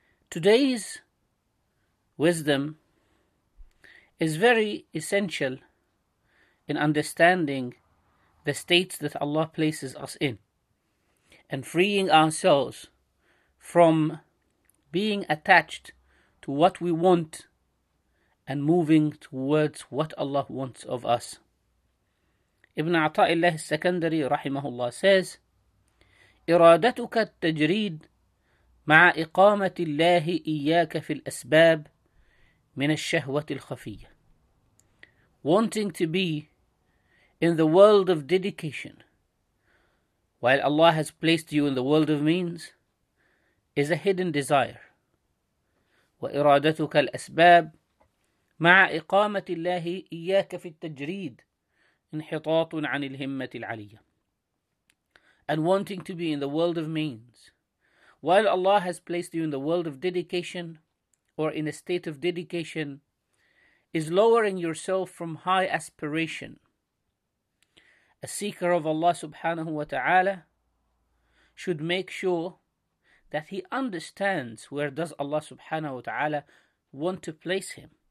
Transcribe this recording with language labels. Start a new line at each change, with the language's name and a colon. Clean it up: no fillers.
English: Today's wisdom is very essential in understanding the states that Allah places us in and freeing ourselves from being attached to what we want and moving towards what Allah wants of us. Ibn Ata'illah al-Sakandari rahimahullah says,
Arabic: إرادتك التجريد مع إقامة الله إياك في الأسباب من الشهوة الخفية.
English: Wanting to be in the world of dedication while Allah has placed you in the world of means is a hidden desire.
Arabic: وإرادتك الأسباب مع إقامة الله إياك في التجريد انحطاط عن الهمة العلية.
English: And wanting to be in the world of means while Allah has placed you in the world of dedication or in a state of dedication is lowering yourself from high aspiration. A seeker of Allah subhanahu wa ta'ala should make sure that he understands where does Allah subhanahu wa ta'ala want to place him.